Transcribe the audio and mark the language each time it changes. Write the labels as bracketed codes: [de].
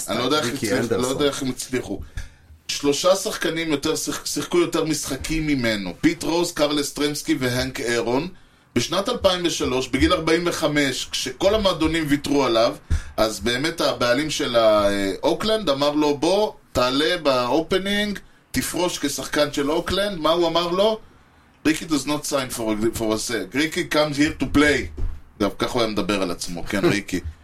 [he] אני לא יודע איך הם הצליחו. שלושה שחקנים שיחקו יותר משחקים ממנו. פיט רוס, קארל אסטרמסקי והנק אירון. בשנת 2003, בגיל 45, כשכל המועדונים ויתרו עליו, אז באמת הבעלים של האוקלנד אמר לו, בוא, תעלה באופנינג, תפרוש כשחקן של אוקלנד. מה הוא אמר לו? [en] ריקי does not sign for a sec. ריקי comes here to play. [he] גם ככה הוא היה מדבר על עצמו, כן, ריקי.